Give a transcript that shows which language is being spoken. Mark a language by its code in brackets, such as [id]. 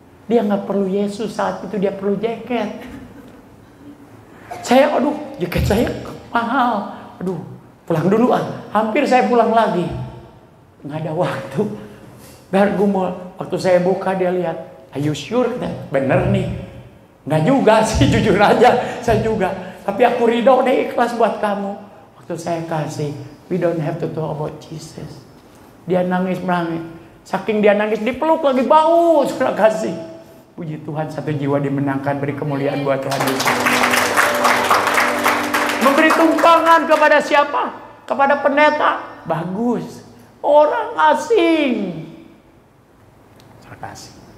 [id] Dia gak perlu Yesus saat itu, dia perlu jaket. Saya, aduh, jaket saya mahal. Aduh, pulang dulu ah. Hampir saya pulang lagi. Gak ada waktu. Bergumul, waktu saya buka dia lihat. [en] Are you sure? [id] Nah, bener nih. Gak juga sih, jujur aja. Saya juga. Tapi aku ridho deh ikhlas buat kamu. Waktu saya kasih, [en] we don't have to talk about Jesus. [id] Dia nangis merangis. Saking dia nangis, dipeluk lagi bau. Sudah kasih. Puji Tuhan, satu jiwa dimenangkan. Beri kemuliaan buat Tuhan Yesus. Memberi tumpangan kepada siapa? Kepada pendeta. Bagus. Orang asing. Terkasih.